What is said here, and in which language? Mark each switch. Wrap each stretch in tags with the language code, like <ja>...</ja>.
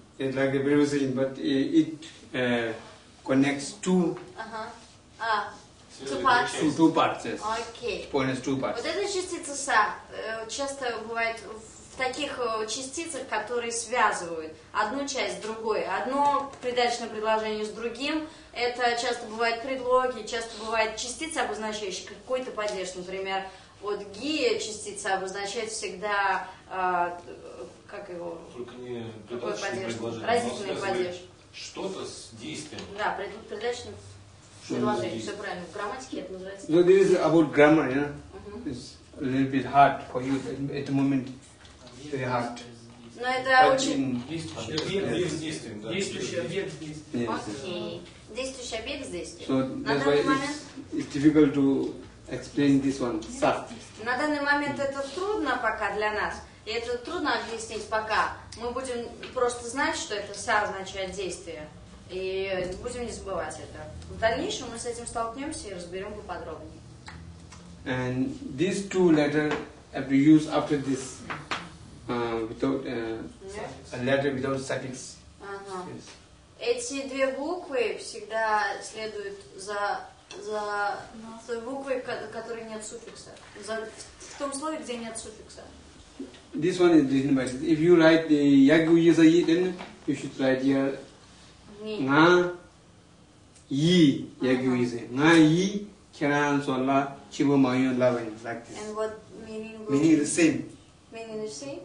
<en>It's like a preposition, but it connects two. Uh-huh. Two parts. Two parts. Yes. Okay. Connects two parts.</en> <ru>Вот эта частица са часто бывает в таких частицах, которые связывают одну часть с другой. Одно придаточное предложение с другим. Это часто бывает предлоги, часто бывает частица, обозначающая какой-то падеж. Например, вот ги частица обозначает всегда. Как его? Только не предаточное предложение. Разительный падеж. Что-то с действием. Да, предаточное предложение. Все правильно. В грамматике это называется.</ru> <en>So this is about grammar, yeah? Uh-huh. It's a little bit hard for you at the moment. Very hard.</en> <ru>Но это but очень... Действующий объект с действием. Действующий объект с действием.</ru> <en>So that's why it's difficult to explain this one.</en> <ru>На данный момент это трудно пока для нас. И это трудно объяснить пока. Мы будем просто знать, что это са означает действие. И будем не забывать это. В дальнейшем мы с этим столкнемся и разберем поподробнее.</ru> <en>And these two letters have to use after this without a letter without suffix. Ага. Uh-huh. Yes.</en> <ru>Эти две буквы всегда следуют за той буквой, которой нет суффикса. В том слове, где нет суффикса.</ru> <en>This one is written by this. If you write the Yagyu Yisayi, then you should write here Nga Yi Yagyu Yisayi.</en> <bo>Nga Yi Kiran Sola Chibu Mayun Lavan. Like this.</bo> <en>And what meaning was? Meaning the same. Meaning the same?</en>